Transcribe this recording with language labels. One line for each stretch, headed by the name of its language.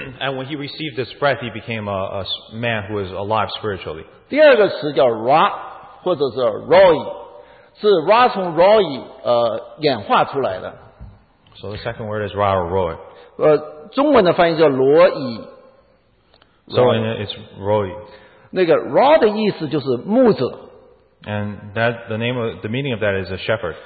English: And when he received this breath, he became a man who is alive spiritually.
Chinese: 第二个词叫 Ra 或者是 Roy, 是 Ra 从 Roy 演化出来的。
English: So the second word is Ra or Roy.
Chinese: 中文的翻译叫罗伊。
English: So it's Roy.
Chinese: 那个 Ra 的意思就是牧者。
English: And that the name of the meaning of that is a shepherd.